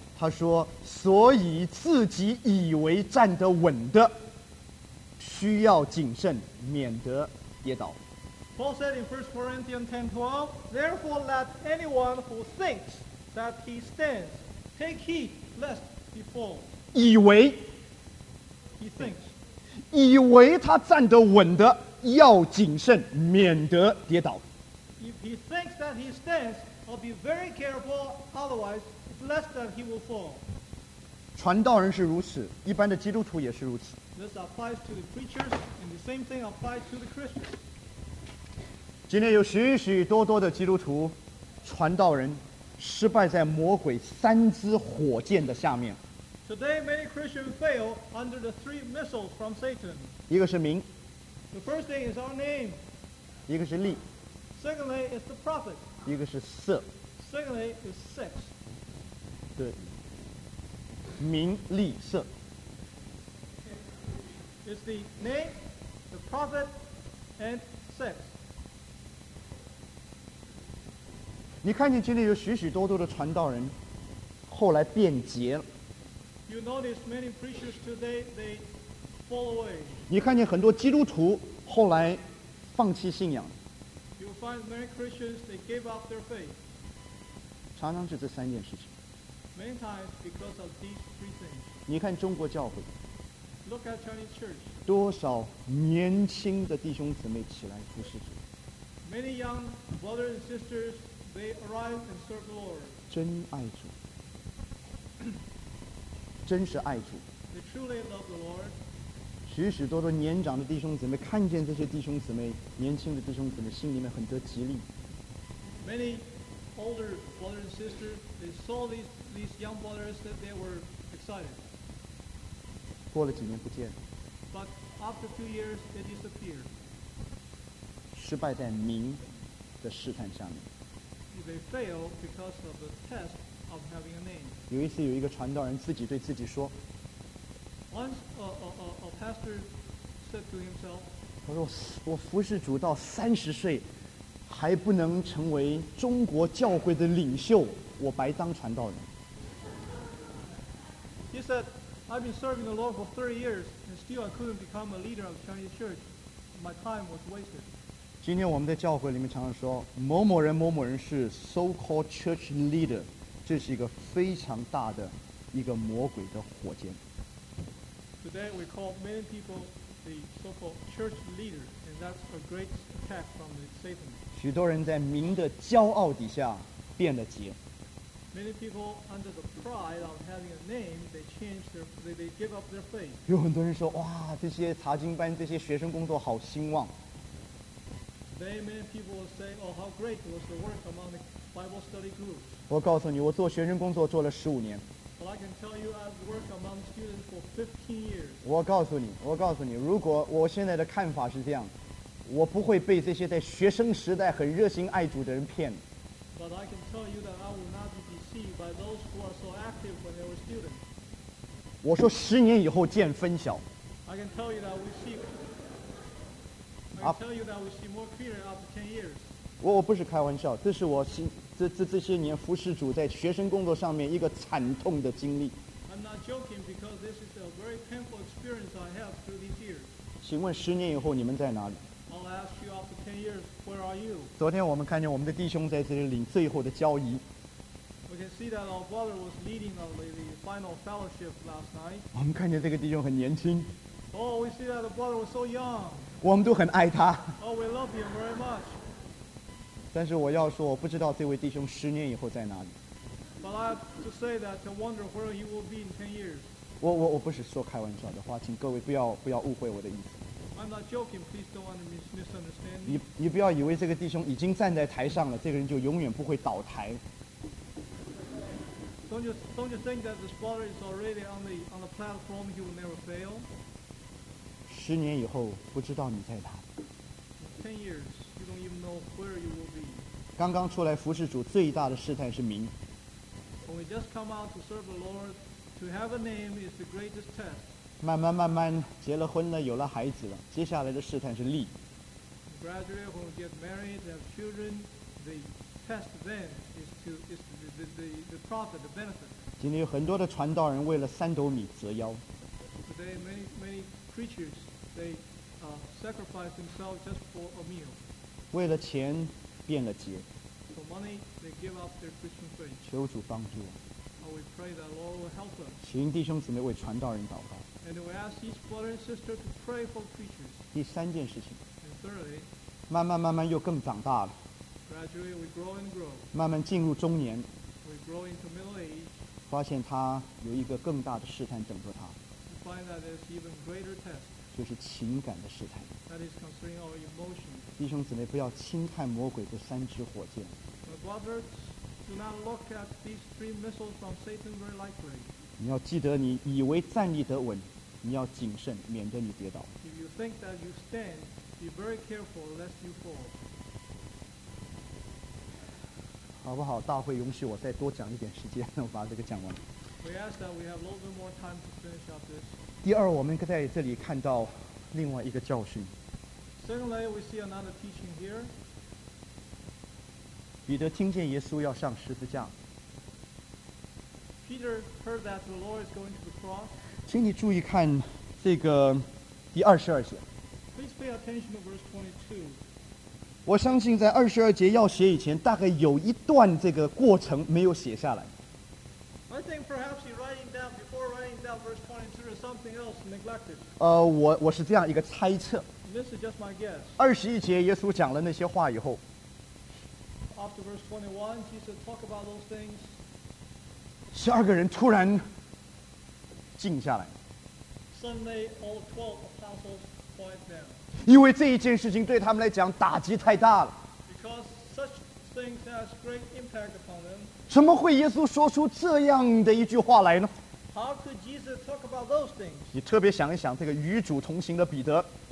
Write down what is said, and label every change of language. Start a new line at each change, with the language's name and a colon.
Chinese: 他说：“所以自己以为站得稳的，需要谨慎，免得跌倒。”
English: Paul said in 1 Corinthians 10:12, "Therefore let anyone who thinks that he stands take heed lest he fall."
Chinese: 以为
English: he thinks
Chinese: 以为他站得稳的要谨慎，免得跌倒。
English: If he thinks that he stands, I'll be very careful, otherwise lest that he will fall.
Chinese: 传道人是如此，一般的基督徒也是如此。
English: This applies to the preachers, and the same thing applies to the Christians.
Chinese: 今天有许许多多的基督徒传道人失败在魔鬼三支火箭的下面。
English: Today many Christians fail under the three missiles from Satan.
Chinese: 一个是名。
English: The first thing is our name.
Chinese: 一个是利。
English: Secondly is the prophet.
Chinese: 一个是色。
English: Secondly is sex.
Chinese: 对。名利色。
English: It's the name, the prophet, and sex.
Chinese: 你看见今天有许许多多的传道人后来变节了。
English: You notice many preachers today, they fall away.
Chinese: 你看见很多基督徒后来放弃信仰。
English: You find many Christians, they gave up their faith.
Chinese: 常常就这三件事情。
English: Many times because of these three things.
Chinese: 你看中国教会。
English: Look at Chinese church.
Chinese: 多少年轻的弟兄姊妹起来服侍主。
English: Many young brothers and sisters,They arrive and serve the Lord.
Chinese: 真爱主，真是爱主。
English: They truly love the Lord.
Chinese: 许许多多年长的弟兄姊妹看见这些弟兄姊妹，年轻的弟兄姊妹心里面很得吉利。
English: Many older brothers and sisters, they saw these young brothers that they were excited.
Chinese: 过了几年不见。
English: But after a few years, they disappeared.
Chinese: 失败在名的试探下面。
English: They fail because of the test of having a name.
Chinese: 有一次有一个传道人自己对自己说
English: Once a pastor said to himself,
Chinese: 他说我服侍主到三十岁还不能成为中国教会的领袖，我白当传道人。
English: He said, I've been serving the Lord for 30 years and still I couldn't become a leader of Chinese church. My time was wasted.
Chinese: 今天我们在教会里面常常说某某人某某人是
English: so-called church leader，
Chinese: 这是一个非常大的一个魔鬼的火箭。
English: Today we call many people the so-called church leader and that's a great attack from the Satan.
Chinese: 许多人在名的骄傲底下变了节。
English: Many people under the pride of having a name they give up their faith.
Chinese: 有很多人说哇这些查经班这些学生工作好兴旺。
English: Today, many people will say, "Oh, how great was the work among the Bible study groups."
Chinese: 我告诉你，我做学生工作做了十五年。
English: But I can tell you, I've worked among students for 15 years.
Chinese: 我告诉你，如果我现在的看法是这样，我不会被这些在学生时代很热心爱主的人骗。
English: But I can tell you that I will not be deceived by those who are so active when they were students.
Chinese: 我说十年以后见分晓。
English: I can tell you that we see. I tell you that we see more clear after 10 years.
Chinese: 我不是开玩笑，这是我这些年服侍主在学生工作上面一个惨痛的经历。
English: I'm not joking because this is a very painful experience I have through these years.
Chinese: 请问十年以后你们在哪里？
English: I'll ask you after 10 years, where are you?
Chinese: 昨天我们看见我们的弟兄在这里领最后的交谊。
English: We can see that our brother was leading the final fellowship last night.
Chinese: 我们看见这个弟兄很年轻。
English: Oh, we see that the brother was so young.
Chinese: 我们都很爱他。
English: Oh, we love him very much.
Chinese: 但是我要说，我不知道这位弟兄十年以后在哪里。
English: But I have to say that I wonder where he will be in 10 years.
Chinese: 我不是说开玩笑的话，请各位不要误会我的意思。
English: I'm not joking. Please don't misunderstand me.
Chinese: 你不要以为这个弟兄已经站在台上了，这个人就永远不会倒台。
English: Don't you think that this brother is already on the platform? He will never fail.
Chinese: 十年以后不知道你在哪。
English: Ten years, you don't even know where you will be.
Chinese: 刚刚出来服侍主最大的试探是名。
English: When we just come out to serve the Lord, to have a name is the greatest test.
Chinese: 慢慢结了婚了，有了孩子了，接下来的试探是利。
English: Gradually, when we get married, have children, the test then is the profit, the benefit.
Chinese: 今天有很多的传道人为了三斗米折腰。
English: Today, many preachers. They sacrifice themselves just for a meal.
Chinese: 为了钱变了节。
English: For money, they give up their Christian faith.
Chinese: 求主帮助我。
English: And we pray that the Lord will help us.
Chinese: 请弟兄姊妹为传道人祷告。
English: And we ask each brother and sister to pray for preachers.
Chinese: 第三件事情。
English: And thirdly,
Chinese: 慢慢又更长大了。
English: Gradually we grow and grow.
Chinese: 慢慢进入中年。
English: We grow into middle age.
Chinese: 发现他有一个更大的试探等着他。
English: We find that there's even greater test.
Chinese: 就是情感的试探。
English: That is concerning our emotions.
Chinese: 弟兄姊妹，不要轻看魔鬼的三支火箭。
English: But brothers, do not look at these three missiles from Satan very lightly.
Chinese: 你要记得，你以为站立得稳，你要谨慎，免得你跌倒。
English: If you think that you stand, be very careful lest you fall.
Chinese: 好不好？大会允许我再多讲一点时间，我把这个讲完。
English: We ask that we have a little bit more time to finish up this.
Chinese: 第二，我们在这里看到另外一个教训。
English: Secondly, we see another teaching here.
Chinese: 彼得听见耶稣要上十字架。
English: Peter heard that the Lord is going to the cross.
Chinese: 请你注意看这个第二十二节。
English: Please pay attention to verse 22.
Chinese: 我相信在二十二节要写以前，大概有一段这个过程没有写下来。
English: I think perhaps he writing down before writing down verse 22 or something else neglected.
Chinese: 我是这样一个猜测。
English: This is just my guess.
Chinese: 二十一节耶稣讲了那些话以后。
English: After verse 21, Jesus talk about those things.
Chinese: 十二个人突然静下来。
English: Suddenly all 12 apostles quiet down.
Chinese: 因为这一件事情对他们来讲打击太大了。
English: Because such things has great impact upon them.
Chinese: 怎么会耶稣说出这样的一句话来呢？
English: How could Jesus talk about those things?
Chinese: 你特别想一想这个与主同行的彼得。